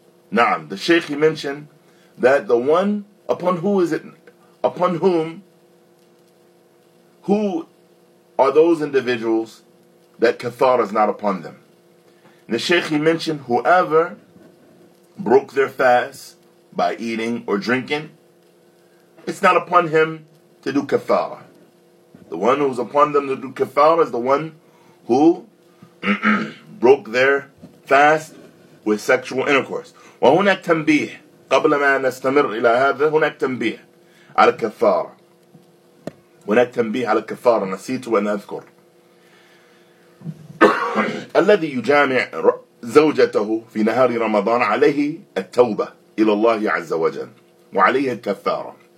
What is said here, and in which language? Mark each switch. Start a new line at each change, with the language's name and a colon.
Arabic: نعم
English: the Shaykh mentioned that the one upon who is it upon whom who are those individuals that kafara is not upon them The Shaykh, he mentioned, whoever broke their fast by eating or drinking, it's not upon him to do kafara. The one who's upon them to do kafara is the one who broke their fast with sexual intercourse.
Arabic: وهناك تنبيه قبل ما نستمر إلى هذا هناك تنبيه على كفارة هناك تنبيه على كفارة نسيت وأنا أذكر الذي يجامع زوجته في نهار رمضان عليه التوبة إلى الله عز وجل وعليه الكفارة